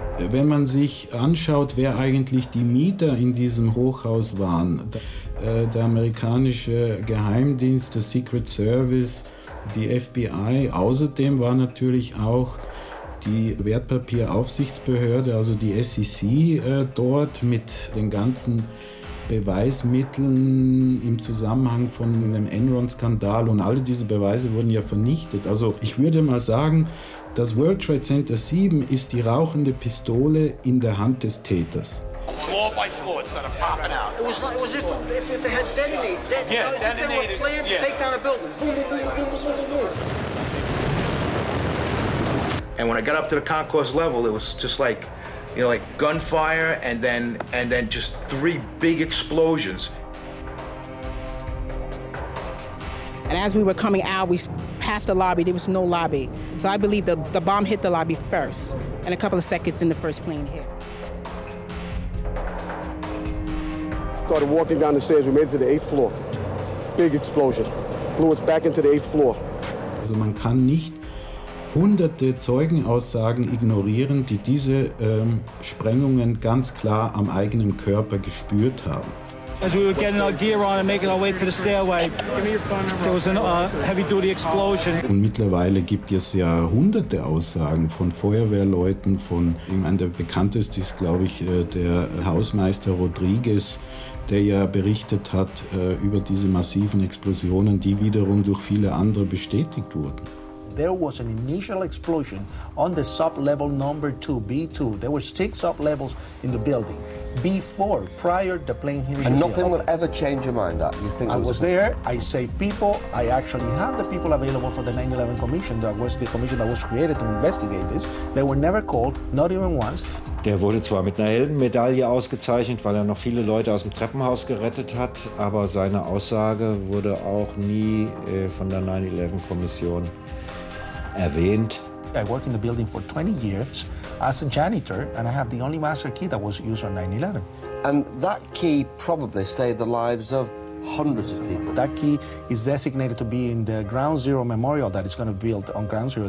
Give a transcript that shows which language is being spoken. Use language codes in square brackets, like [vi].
[de] Wenn man sich anschaut, wer eigentlich die Mieter in diesem Hochhaus waren, der amerikanische Geheimdienst, der Secret Service, die FBI, außerdem war natürlich auch die Wertpapieraufsichtsbehörde, also die SEC, dort mit den ganzen Beweismitteln im Zusammenhang von einem Enron-Skandal, und alle diese Beweise wurden ja vernichtet. Also ich würde mal sagen, das World Trade Center 7 ist die rauchende Pistole in der Hand des Täters. [en] Floor by floor, it started popping out. It was like as if they had detonated. Yeah, as if they were planned to take down a building. Boom, boom, boom, boom, boom, boom, boom. And when I got up to the concourse level, it was just like, you know, like gunfire and then just three big explosions. And as we were coming out, we passed the lobby. There was no lobby. So I believe the bomb hit the lobby first, and a couple of seconds in the first plane hit. Started walking down the stairs. We made it to the 8th floor. Big explosion. Blew us back into the 8th floor. [de] Also man kann nicht hunderte Zeugenaussagen ignorieren, die diese Sprengungen ganz klar am eigenen Körper gespürt haben. [en] as we were getting our gear on and making our way to the stairway, there was a heavy-duty explosion. [de] Und mittlerweile gibt es ja hunderte Aussagen von Feuerwehrleuten, von, ich meine, der bekannteste ist, glaube ich, der Hausmeister Rodriguez, der ja berichtet hat über diese massiven Explosionen, die wiederum durch viele andere bestätigt wurden. [en] There was an initial explosion on the sub-level number 2, B2. There were 6 sub-levels in the building before, prior to the plane hitting. And nothing will ever change your mind, that you think? I was there, I saved people, I actually had the people available for the 9/11 commission, that was the commission that was created to investigate this. They were never called, not even once. [de] Der wurde zwar mit einer Heldenmedaille ausgezeichnet, weil er noch viele Leute aus dem Treppenhaus gerettet hat, aber seine Aussage wurde auch nie von der 9/11-Kommission erwähnt. [en] I work in the building for 20 years as a janitor and I have the only master key that was used on 9/11. And that key probably saved the lives of hundreds of people. That key is designated to be in the Ground Zero Memorial that is going to be built on Ground Zero.